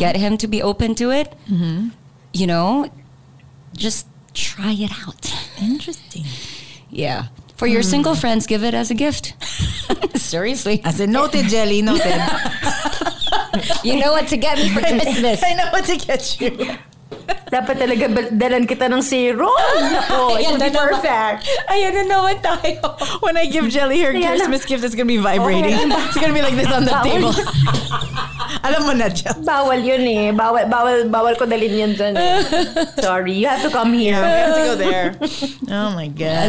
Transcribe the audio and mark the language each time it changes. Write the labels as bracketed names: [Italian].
[English] get him to be open to it, mm-hmm. you know, just try it out. Interesting. Yeah. For your single friends, give it as a gift. Seriously. As a noted, Jelly, noted. You know what to get me for Christmas. I know what to get you. [Filipino] Dapat talaga dalan kita ng serum. [English] Nako, it'll be perfect. [Filipino] Ayan na naman tayo. [English] When I give Jelly her Christmas gift, it's gonna be vibrating. Okay. It's gonna be like this on the table. [Filipino] Alam mo na, Jelly. Bawal yun eh. Bawal ko dalin yun dyan. [English] Sorry, you have to come here. Yeah, we have to go there. Oh my God.